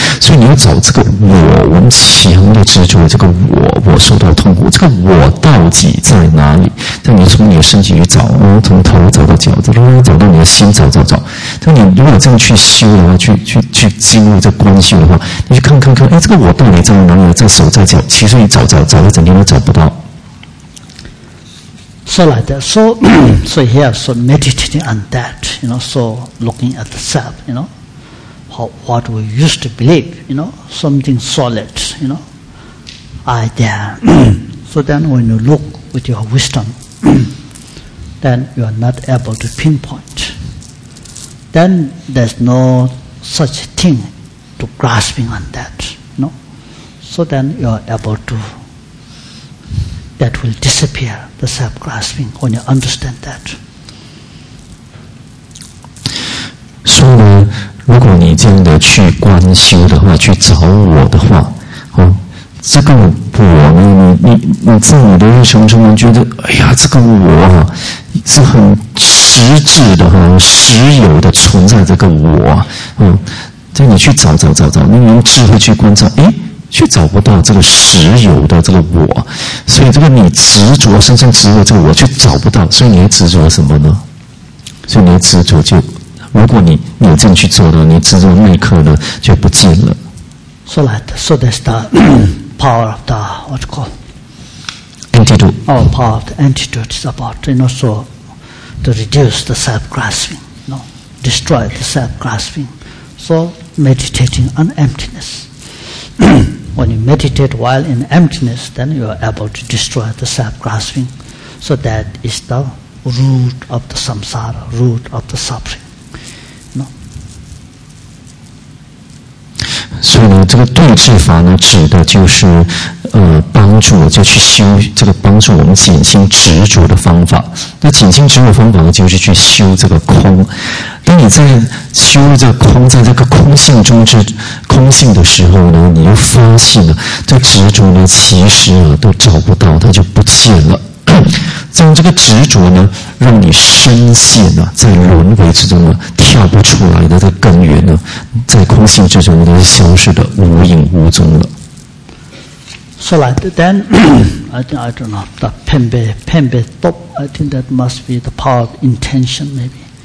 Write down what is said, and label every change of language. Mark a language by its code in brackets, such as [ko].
[zh] 所以你要找这个我们强烈执着这个我受到痛苦，这个我到底在哪里？但你从你的身体去找，从头找到脚，找到你的心，找。但你如果这样去修的话，去进入这关系的话，你去看，哎，这个我到底在哪里？在手，在脚。其实你找了整天都找不到。 [en] So like that. So here, so meditating on that, you know. So looking at the self, you know, what we used to believe, you know, something solid, you know. I there. So then when you look with your wisdom, then you are not able to pinpoint. Then there's no such thing to grasping on that. No? So then you are able to, that will disappear, the self-grasping, when you understand that. [zh] So, 如果你这样的去观修的话，去找我的话，这个我呢，你在你的日常中觉得，哎呀，这个我啊，是很实质的、很实有的存在。这个我，在你去找找找找，你用智慧去观察，诶，却找不到这个实有的这个我，所以这个你执着身上执着这个我却找不到，所以你还执着什么呢？所以你还执着，就如果你你这样去做的，你执着那一刻呢就不见了。 [en] So that, so that's the power of the what you call antidote. Oh, power of the antidote is about, you know, so to reduce the self-grasping, you know, destroy the self-grasping. So meditating on emptiness. When you meditate while in emptiness, then you are able to destroy the self-grasping. So that is the root of the samsara, root of the suffering. No. [zh] 所以呢，这个对治法呢，指的就是帮助就去修这个帮助我们减轻执着的方法。那减轻执着的方法呢，就是去修这个空。当你在修这个空，在这个空性中之空性的时候呢，你就发现了这执着呢，其实啊都找不到，它就不见了。这样这个执着呢，让你深陷呢、啊、在轮回之中啊跳不出来的这个根源呢，在空性之中呢消失的无影无踪了。 [en] So like then, I don't know the penbe top. I think that must be the power of intention, maybe.